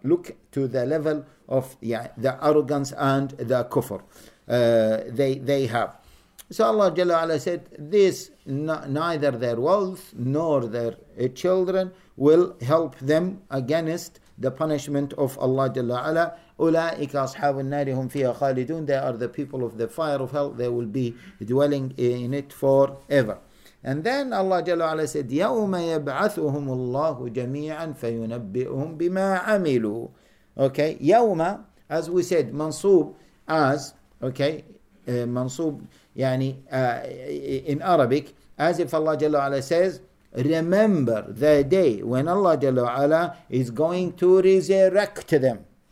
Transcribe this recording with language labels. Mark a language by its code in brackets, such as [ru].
[en] Look to the level of, yeah, the arrogance and the kufr they have. So Allah Jalla wa'ala said, this, neither their wealth nor their children will help them against the punishment of Allah Jalla wa'ala. [ar] أولئك أصحاب النار هم فيها خالدون. [en] They are the people of the fire of hell. They will be dwelling in it forever. And then Allah Jalla wa'ala said, [ar] يَوْمَ يَبْعَثُهُمُ اللَّهُ جَمِيعًا فَيُنَبِّئُهُمْ بِمَا عَمِلُوا. [en] Okay, يَوْمَ, as we said, منصوب as, okay, منصوب, يعني in Arabic, as if Allah Jalla wa'ala says, remember the day when Allah Jalla wa'ala is going to resurrect them.